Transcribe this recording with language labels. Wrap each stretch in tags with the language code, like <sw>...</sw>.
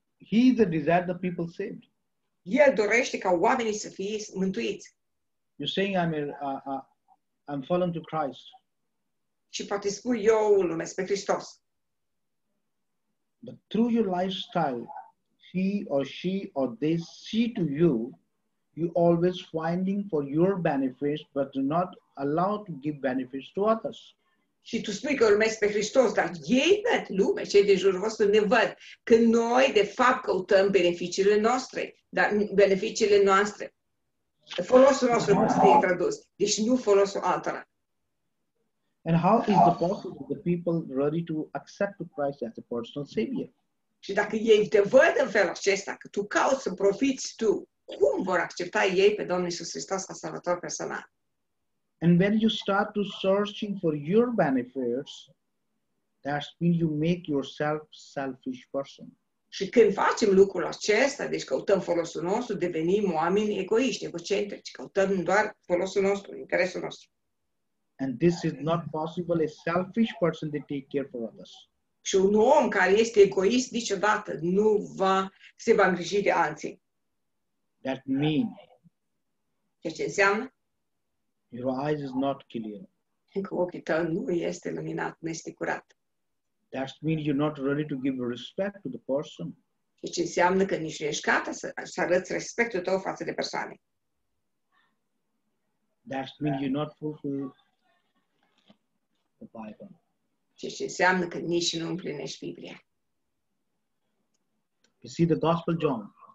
<en>He is the desire the people saved.</en> <ro>El dorește ca oamenii să fie mântuiți.</ro> <en>You're saying I'm fallen to Christ.</en> <ro>Și poate spui eu îl numesc pe Hristos.</ro> <en>But through your lifestyle, he or she or they see to you, you always finding for your benefits, but do not allow to give benefits to others.</en> <ro>Și tu spui că urmezi pe Hristos, dar ei văd lume, cei din jurul vostru ne văd că noi, de fapt, căutăm beneficiile noastre, dar beneficiile noastre. Folosul nostru nu este tradus, deci nu folosul altora.</ro> <en>And how is the possible that the people ready to accept Christ as a personal savior?</en> <ro>Și dacă ei te văd în felul acesta, că tu cauți să profiți tu, cum vor accepta ei pe Domnul Iisus Hristos ca salvator personal?</ro> <en>And when you start to searching for your benefits, that's when you make yourself selfish person.</en> <ro>Și când facem lucrul acesta, deci căutăm folosul nostru, devenim oameni egoiști, egocentrici, căutăm doar folosul nostru, interesul nostru.</ro> <en>And this is not possible, a selfish person to take care for others.</en> <ro>Și un om care este egoist niciodată nu va se va îngriji de alții.</ro> <en>That means.</en> <ro>Ceea ce înseamnă?</ro> <en>Your eyes is not clear.</en> <ro>Ochii tău nu este luminat, nu este curat.</ro> <en>That means you're not ready to give respect to the person.</en> <ro>Deci înseamnă că nici nu ești gata să arăți respectul tău față de persoane.</ro> <en>That means you're not fulfill the Bible.</en> <ro>Deci înseamnă că nici nu împlinești Biblia.</ro> <en>You see the Gospel John.</en>